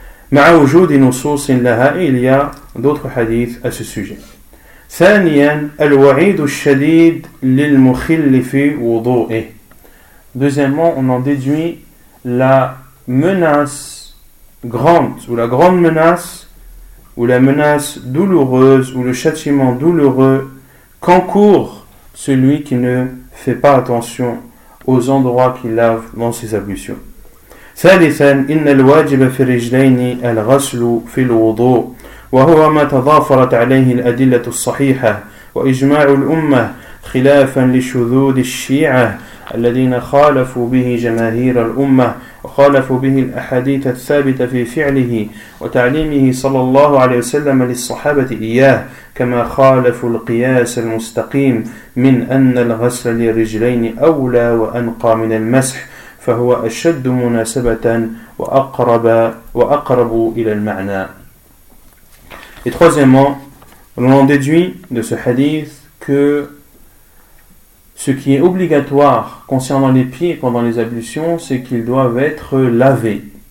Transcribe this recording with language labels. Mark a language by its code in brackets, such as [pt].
[ar] Ma'a wujoudi nusus laha, [fr] il y a d'autres hadiths à ce sujet. [ar] ثانيا الوعيد الشديد للمخل في وضوئه. [fr] Deuxièmement, on en déduit la menace grande, ou la grande menace, ou la menace douloureuse, ou le châtiment douloureux qu'encourt celui qui ne fait pas attention aux endroits qu'il lave dans ses ablutions. [ar] ثالثا إن الواجب في الرجلين الغسل في الوضوء وهو ما تضافرت عليه الأدلة الصحيحة وإجماع الأمة خلافا لشذوذ الشيعة الذين خالفوا به جماهير الأمة وخالفوا به الأحاديث الثابتة في فعله وتعليمه صلى الله عليه وسلم للصحابة إياه كما خالفوا القياس المستقيم من أن الغسل للرجلين أولى وأنقى من المسح فهو أشد مناسبة وأقرب إلى المعنى. [fr] Et troisièmement, on en déduit de ce hadith que ce qui est obligatoire concernant les pieds pendant les ablutions, c'est qu'ils doivent être lavés.